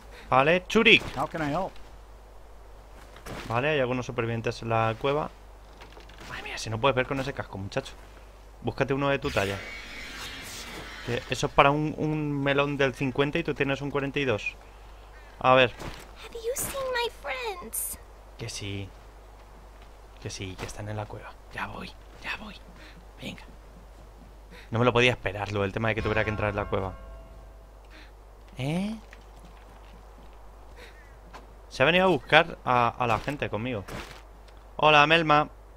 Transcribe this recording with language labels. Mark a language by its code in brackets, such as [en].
[es] Vale, Churik. Vale, hay algunos supervivientes en la cueva. Madre mía, si no puedes ver con ese casco, muchacho. Búscate uno de tu talla. Eso es para un melón del 50 y tú tienes un 42. A ver. [en] Have you seen my friends? [es] Que sí. Que sí, que están en la cueva. Ya voy, ya voy. Venga. No me lo podía esperar, lo del tema de que tuviera que entrar en la cueva. ¿Eh? Se ha venido a buscar a la gente conmigo. Hola, Melma.